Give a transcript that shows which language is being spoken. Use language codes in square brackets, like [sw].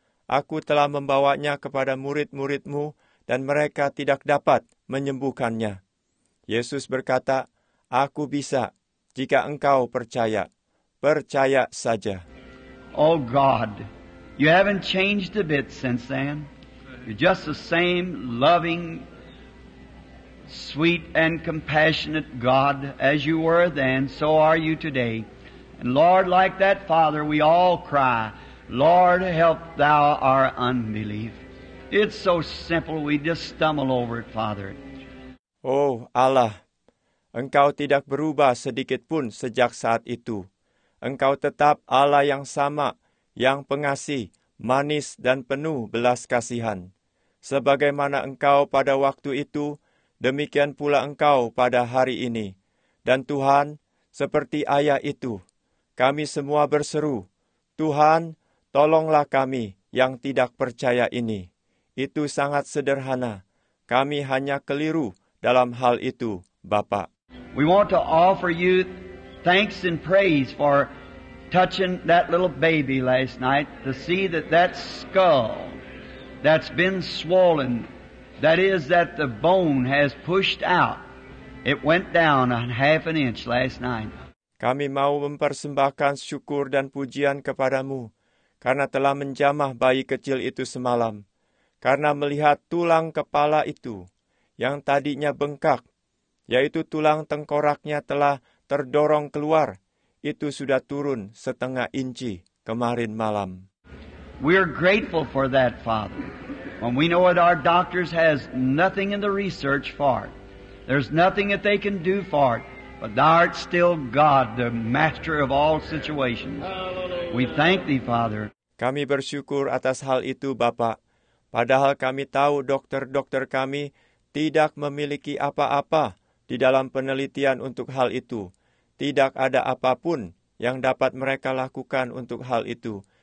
[id] Aku telah membawanya kepada murid-muridmu, dan mereka tidak dapat menyembuhkannya. Yesus berkata, "Aku bisa jika engkau percaya. Percaya saja." [en] Oh God, you haven't changed a bit since then. You're just the same loving, sweet and compassionate God as you were then, so are you today. And Lord, like that Father, we all cry, Lord, help thou our unbelief. It's so simple, we just stumble over it, Father. [id] Oh Allah, Engkau tidak berubah sedikit pun sejak saat itu. Engkau tetap Allah yang sama, yang pengasih, manis dan penuh belas kasihan. Sebagaimana Engkau pada waktu itu, demikian pula Engkau pada hari ini. Dan Tuhan, seperti ayah itu, kami semua berseru, Tuhan, tolonglah kami yang tidak percaya ini. Itu sangat sederhana. Kami hanya keliru dalam hal itu, Bapa. [en] We want to offer you thanks and praise for touching that little baby last night to see that that skull that's been swollen, that is that the bone has pushed out. It went down a half an inch last night. [id] Kami mau mempersembahkan syukur dan pujian kepadamu karena telah menjamah bayi kecil itu semalam. Karena melihat tulang kepala itu yang tadinya bengkak, yaitu tulang tengkoraknya telah terdorong keluar, itu sudah turun setengah inci kemarin malam. [en] We are grateful for that, Father. When we know that our doctors has nothing in the research for it, there's nothing that they can do for it, but thou art still God, the master of all situations. We thank thee, Father. [id] Kami bersyukur atas hal itu, Bapa. Padahal kami tahu dokter-dokter kami tidak memiliki apa-apa di dalam penelitian untuk hal itu. Tidak ada apapun yang dapat mereka lakukan untuk hal itu.